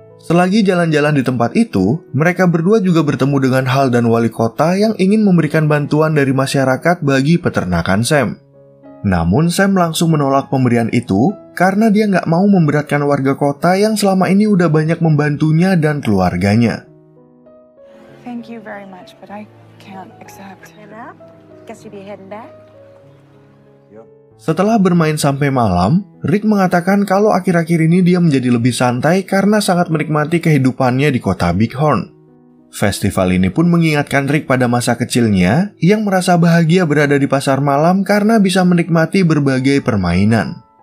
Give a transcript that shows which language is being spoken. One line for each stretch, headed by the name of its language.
Indonesian: Selagi jalan-jalan di tempat itu, mereka berdua juga bertemu dengan Hal dan wali kota yang ingin memberikan bantuan dari masyarakat bagi peternakan Sam. Namun Sam langsung menolak pemberian itu karena dia nggak mau memberatkan warga kota yang selama ini udah banyak membantunya dan keluarganya.
English: Thank you very much, but I can't accept. Guess you'll be heading back.
Indonesian: Setelah bermain sampai malam, Rick mengatakan kalau akhir-akhir ini dia menjadi lebih santai karena sangat menikmati kehidupannya di kota Bighorn. Festival ini pun mengingatkan Rick pada masa kecilnya yang merasa bahagia berada di pasar malam karena bisa menikmati berbagai permainan.